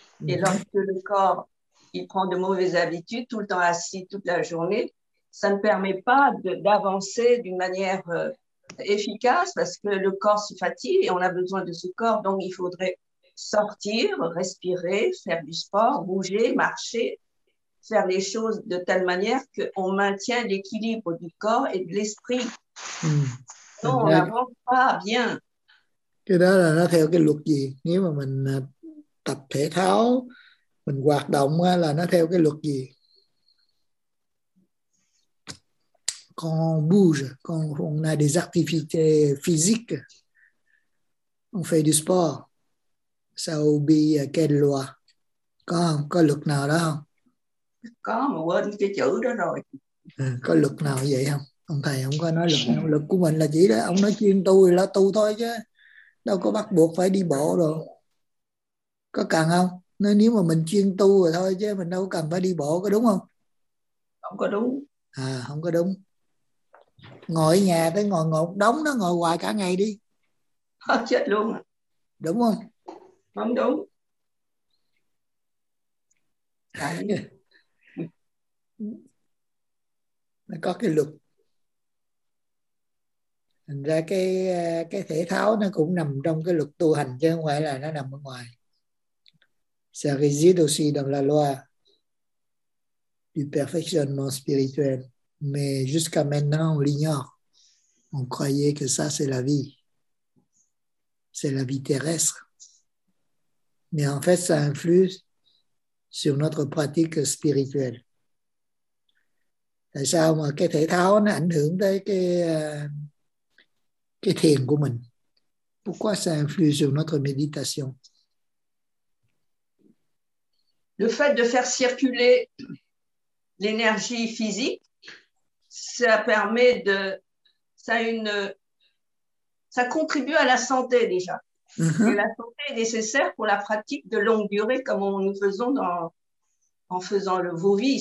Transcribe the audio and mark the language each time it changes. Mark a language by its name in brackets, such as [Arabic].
[French] Et lorsque le corps il prend de mauvaises habitudes, tout le temps assis, toute la journée, ça ne permet pas d'avancer d'une manière efficace parce que le corps se fatigue et on a besoin de ce corps. Donc, il faudrait sortir, respirer, faire du sport, bouger, marcher, faire les choses de telle manière qu'on maintient l'équilibre du corps et de l'esprit. Sinon, on n'avance pas bien. [Vietnamese] Cái đó là nó theo cái luật gì? Nếu mà mình tập thể thao, mình hoạt động là nó theo cái luật gì? [French] Quand on bouge, quand on a des activités physiques, on fait du sport, ça obéit à quelle loi? [Vietnamese] Có luật nào đó không? Có, mà quên cái chữ đó rồi. Có luật nào vậy không? Ông thầy không có nói luật. Luật của mình là chỉ đó, ông nói chuyên tu là tu thôi chứ. Đâu có bắt buộc phải đi bộ rồi. Có cần không? Nói nếu mà mình chuyên tu rồi thôi chứ mình đâu cần phải đi bộ, có đúng không? Không có đúng. À, không có đúng. Ngồi nhà tới ngồi ngột đống đó, ngồi hoài cả ngày đi. Chết luôn. Đúng không? Không đúng. Nó có cái luật. Thành ra cái thể thao nó cũng nằm trong cái luật tu hành chứ không phải là nó nằm ở ngoài. [French] Ça réside aussi dans la loi du perfectionnement spirituel. Mais jusqu'à maintenant, on l'ignore. On croyait que ça, c'est la vie. C'est la vie terrestre. Mais en fait, ça influe sur notre pratique spirituelle. [Vietnamese] Tại sao mà cái thể thao nó ảnh hưởng tới cái thiền của mình. [French] Pourquoi ça influe sur notre méditation? Le fait de faire circuler l'énergie physique, ça permet de... Ça contribue à la santé déjà. Mm-hmm. Et la santé est nécessaire pour la pratique de longue durée comme nous faisons en faisant le Vovi.